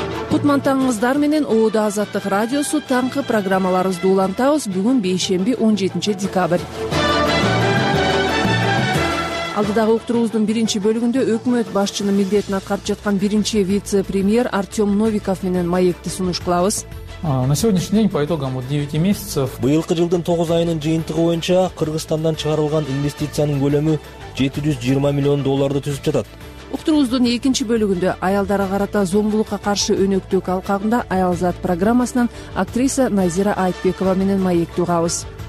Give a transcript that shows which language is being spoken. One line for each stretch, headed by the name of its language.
Kyrgyz: Кутман таңыңыздар менен Оодо Азаттык радиосу таңкы программаларыбызды улантабыз. Бүгүн бейшемби 17 декабрь. Алдыдагы уктуруубуздун биринчи бөлүгүндө өкмөт башчынын милдетин аткарып жаткан биринчи вице-премьер Артем Новиков менен маекти сунуш кылабыз.
Russian: На сегодняшний день по итогам 9 месяцев.
Kyrgyz: Быйылкы жылдын 9 айынын жыйынтыгы боюнча Кыргызстандан чыгарылган инвестициянын көлөмү 720 миллион долларды түзүп жатат. Уктуруубуздун экинчи бөлүгүндө аялдарга карата зомбулукка каршы өнөктүк алкагында аялзат программасынан актриса Назира Айтбекова менен маекти угабыз.